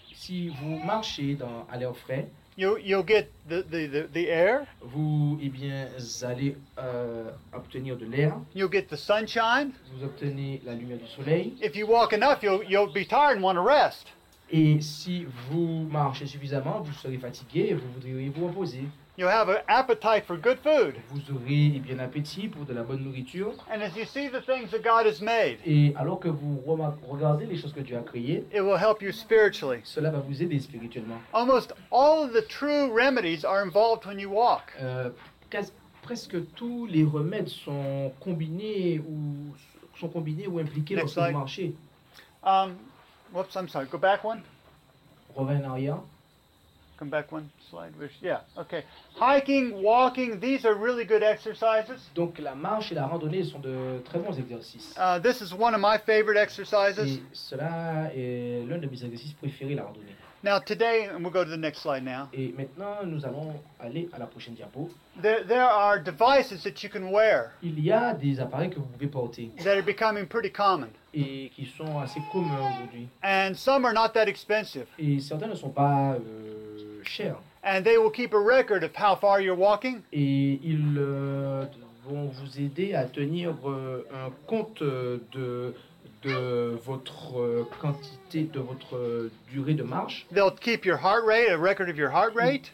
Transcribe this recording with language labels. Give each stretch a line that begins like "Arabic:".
French: si vous marchez dans à l'air frais,
English: you'll get the air.
French: Vous allez obtenir de l'air.
English: You'll get the sunshine.
French: Vous obtenez la lumière du soleil.
English: If you walk enough, you'll be tired and want to rest.
French: Et si vous marchez suffisamment, vous serez fatigué et vous voudriez vous reposer.
English: You'll have an appetite for good food.
French: Vous aurez bien appétit pour de la bonne nourriture.
English: And as you see the things that God has made,
French: et alors que vous regardez les choses que Dieu a créées,
English: it will help you spiritually.
French: Cela va vous aider spirituellement.
English: Almost all of the true remedies are involved when you walk.
French: Presque tous les remèdes sont combinés ou impliqués
English: next
French: lorsque
English: slide.
French: Vous marchez.
English: Whoops, I'm sorry. Go back one.
French: Revenez en arrière.
English: Come back one slide. Yeah, okay. Hiking, walking, these are really good exercises.
French: Donc la marche et la randonnée sont de très bons exercices.
English: This is one of my favorite exercises.
French: Et cela est l'un de mes exercices préférés, la randonnée.
English: Now today, and we'll go to the next slide now.
French: Et maintenant, nous allons aller à la prochaine diapo.
English: There are devices that you can wear.
French: Il y a des appareils que vous pouvez porter.
English: That are becoming pretty common.
French: Et qui sont assez communs aujourd'hui.
English: And some are not that expensive.
French: Et certains ne sont pas chers.
English: And they will keep a record of how far you're walking.
French: Et ils vont vous aider à tenir un compte de votre quantité, de votre durée de marche.
English: They'll keep your heart rate, a record of your heart rate.